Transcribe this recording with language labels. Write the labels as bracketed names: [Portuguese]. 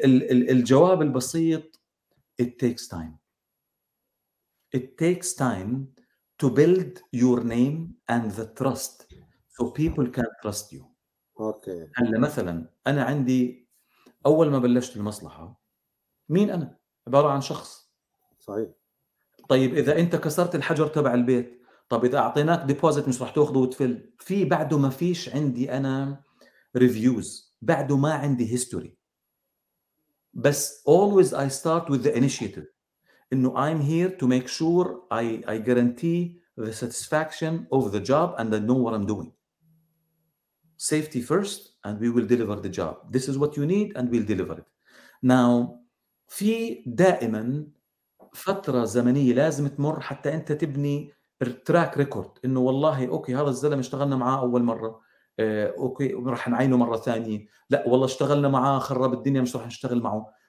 [Arabic] الجواب البسيط [English] It takes time to build your name and the trust so people can trust you. Okay. [Arabic] هلا مثلا أنا عندي أول ما بلشت المصلحة مين أنا؟ عبارة عن شخص. صحيح. طيب إذا أنت كسرت الحجر تبع البيت، طب إذا أعطيناك ديبوزيت مش رح تأخذه وتفل، في بعده ما فيش عندي أنا ريفيوز، بعده ما عندي هيستوري. بس [English] always I start with the initiative. إنه I'm here to make sure I guarantee the satisfaction of the job and I know what I'm doing. Safety first and we will deliver the job. This is what you need and we'll deliver it. [Arabic] Now, في دائما فترة زمنية لازم تمر حتى أنت تبني التراك ريكورد، إنه والله أوكي هذا الزلم اشتغلنا معاه أول مرة، أوكي راح نعينه مرة ثانية، لا والله اشتغلنا معاه خرب الدنيا مش راح نشتغل معه.